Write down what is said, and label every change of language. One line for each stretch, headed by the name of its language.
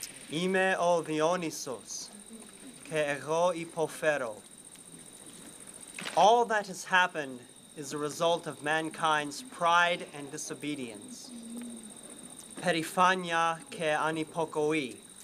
Greek: Είμαι ο Διόνυσος και εγώ υποφέρω.
English: All that has happened is a result of mankind's pride and disobedience.
Greek: Περηφάνεια και ανυποκοή.